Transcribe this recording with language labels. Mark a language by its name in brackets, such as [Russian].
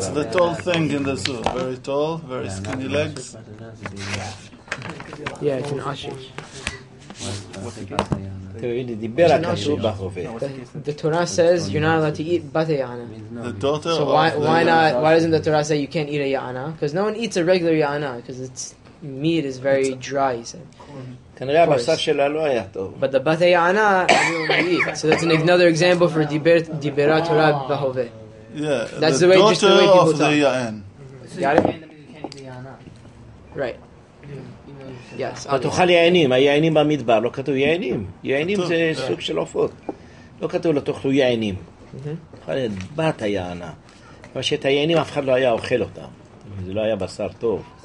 [English] It's the tall thing in the zoo. Very tall, very skinny legs. Yeah, it's an ashi. [Hebrew] אתם מבינים, דיבר הכתוב בהווה. [English] The Torah says you're not allowed to eat bat ya'ana. The daughter of... So why doesn't the Torah say you can't eat a ya'ana? Because no one eats a regular ya'ana, because its meat is very dry. [Hebrew] כנראה הבשר שלה לא היה טוב. [English] But the bat ya'ana, so that's another example for [Hebrew] דיברה תורה בהווה. [English] Yeah, that's the way just the way people talk. The daughter of the ya'an. Got it? You can't eat a ya'ana. Right. [Hebrew] אתה תאכל יענים, היענים במדבר, לא כתוב יענים. יענים זה סוג של עופות. לא כתוב, לא תאכלו יענים. תאכל את בת היענה. אבל שאת היענים אף אחד לא היה אוכל אותם. זה לא היה בשר טוב.